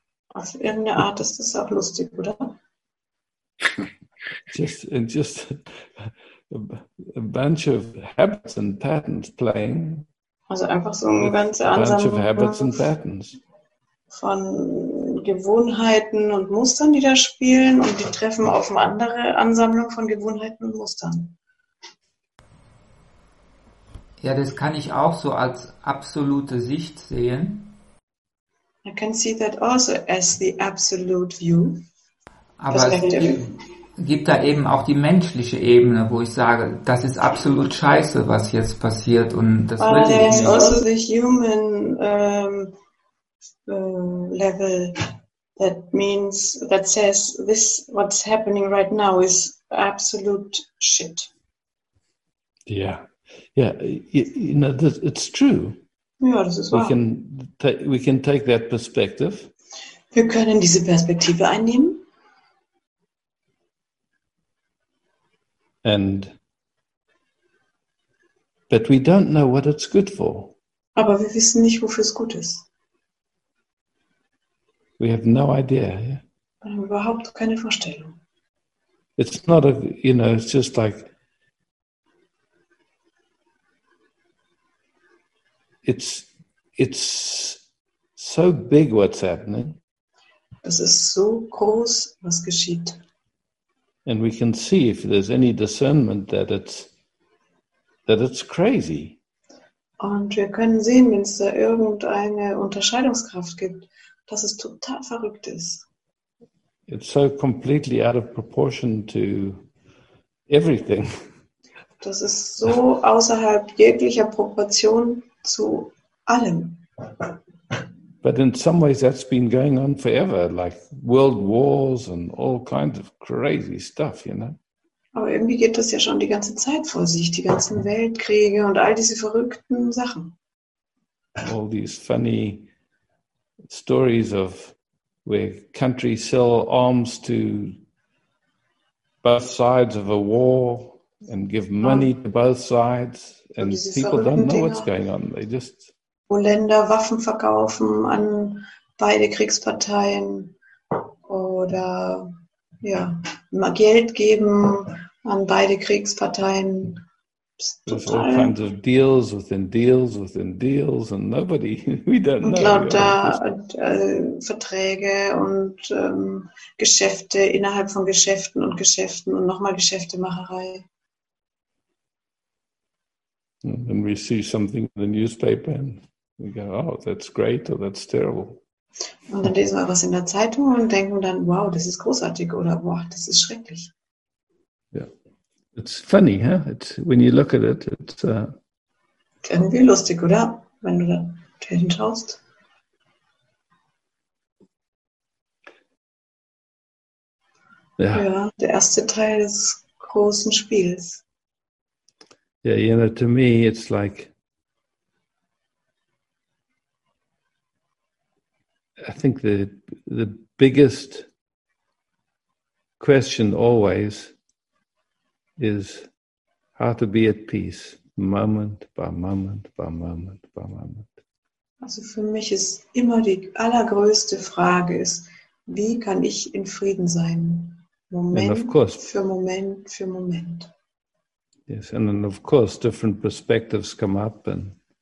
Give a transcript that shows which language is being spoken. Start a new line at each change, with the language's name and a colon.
German: Auf irgendeine Art ist das auch lustig, oder?
English: just a bunch of habits and patterns playing.
German: Also einfach so ein ganzer Ansammlung von Gewohnheiten und Mustern, die da spielen, und die treffen auf eine andere Ansammlung von Gewohnheiten und Mustern. Ja, das kann ich auch so als absolute Sicht sehen.
English: I can see that also as the absolute view.
German: Aber es gibt da eben auch die menschliche Ebene, wo ich sage, das ist absolut scheiße, was jetzt passiert. Und das
English: But will there's
German: nicht.
English: Also the human level that means, that says this, what's happening right now is absolute shit. Yeah. Yeah, you know, it's true.
German: Ja, das ist wahr.
English: We can take that perspective.
German: Wir können diese Perspektive einnehmen.
English: But we don't know what it's good for.
German: Aber wir wissen nicht, wofür es gut ist.
English: We have no idea. Yeah?
German: Wir haben überhaupt keine Vorstellung.
English: It's not a, you know, it's just like, It's so big what's happening.
German: Es ist so groß, was geschieht.
English: And we can see if there's any discernment that it's crazy.
German: Und wir können sehen, wenn es da irgendeine Unterscheidungskraft gibt, dass es total verrückt ist.
English: It's so completely out of proportion to everything.
German: Das ist so außerhalb jeglicher Proportion zu allem.
English: But in some ways that's been going on forever, like world wars and all kinds of crazy stuff, you know.
German: Aber irgendwie geht das ja schon die ganze Zeit vor sich, die ganzen Weltkriege und all diese verrückten Sachen.
English: All these funny stories of where countries sell arms to both sides of a war and give money to both sides. And people don't know what's going on. They just,
German: wo Länder Waffen verkaufen an beide Kriegsparteien oder ja, Geld geben an beide Kriegsparteien.
English: There's all kinds of deals within deals within deals and nobody, we don't know.
German: Und lauter Verträge und Geschäfte innerhalb von Geschäften und Geschäften und nochmal Geschäftemacherei.
English: And we see something in the newspaper and we go, oh, that's great or that's terrible.
German: Und dann lesen wir was in der Zeitung und denken dann, wow, das ist großartig oder wow, das ist schrecklich.
English: Yeah. It's funny, huh? It's when you look at it, it's
German: irgendwie lustig, oder? Wenn du da hinschaust. Ja. Ja, der erste Teil des großen Spiels.
English: Yeah, you know, to me it's like I think the biggest question always is how to be at peace moment by moment by moment by moment.
German: Also für mich ist immer die allergrößte Frage ist, wie kann ich in Frieden sein? Moment für Moment für Moment.
English: Yes, and then of course different perspectives come up and